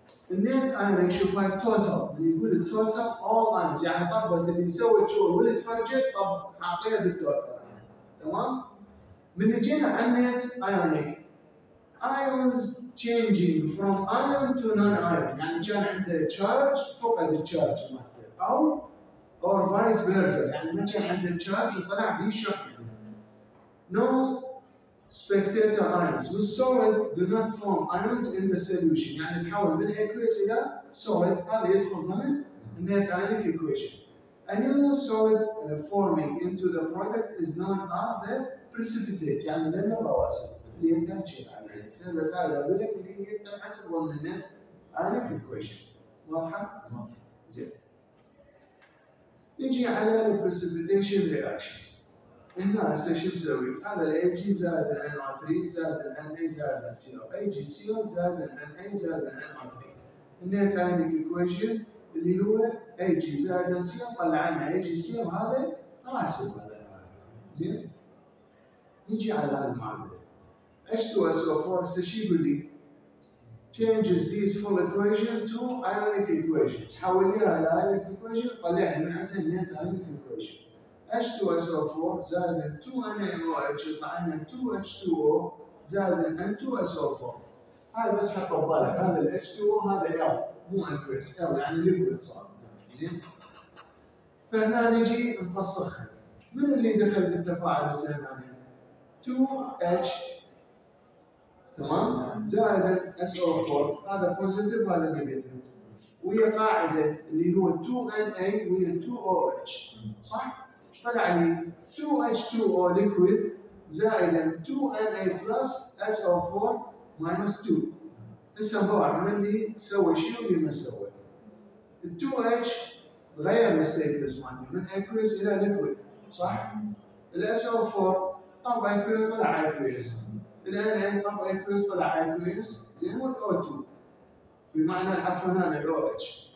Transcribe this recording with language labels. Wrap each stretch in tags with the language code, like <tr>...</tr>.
<ar>النت ايونيك شوف هاي التوتال اللي يقول التوتال all ions يعني طبت اللي سوت شغل واللي تفرجت طب حاطيها بالتوتال تمام؟ من جينا على النت ايونيك</ar> <en>ions changing from ion to non-ion</en> <ar>يعني كان عنده تشارج فقد التشارج مالته او</ar> <en>or vice versa</en> <ar>يعني ما كان عنده تشارج وطلع به شحنه</ar> <en>No spectator ions with solid do not form ions in the solution.</en> <ar>يعني تحول من aqueous إلى solid. هذا يدخل ضمن النت ionic equation.</ar> <en>A new solid forming into the product is known as the precipitate.</en> <ar>يعني ده البواسط اللي ينتج عليه. سهل سهل أقول لك اللي هي تحصل ضمن النت ionic equation. واضحة؟ زين. نجي على</ar> <en>the precipitation reactions.</en> <ar>هنا هسه شو مسوي؟ هذا الـ AG زائد الـ NR3 زائد الـ NA زائد الـ CO، AG CO زائد الـ NA زائد الـ NR3. النيت عندك equation اللي هو AG زائد الـ CO، طلع لنا AG CO هذا راس المعادلة. زين؟ نجي على هذه المعادلة.</ar> <en>H2SO4</en> <ar>هسه شو يقول لي؟</ar> <en>changes these full equation to ionic equations.</en> <ar>حوليها الى ionic equation، طلعنا من عندها النيت ionic equation. H2SO4 زائد 2NaOH يطلع لنا 2H2O زائد N2SO4. هاي بس حطوا ببالك هذا ال H2O هذا L مو أكويس، L يعني ليكويد صار. زين؟ فهنا نجي نفسخها. من اللي دخل بالتفاعل السهماني؟ 2H تمام؟ زائد SO4 هذا بوزيتيف وهذا نيجاتيف. ويا قاعدة اللي هو 2NA ويا 2OH. صح؟ طلع لي 2H2O liquid زائد 2NA plus SO4 minus 2. هسه هو من اللي سوى شيء واللي ما سوى. 2H غير الستيتلس مالتي من aqueous الى liquid صح؟ ال SO4 طب aqueous طلع aqueous. ال NA طب aqueous طلع aqueous زين وال O2 بمعنى العفو هنا ال OH.</ar>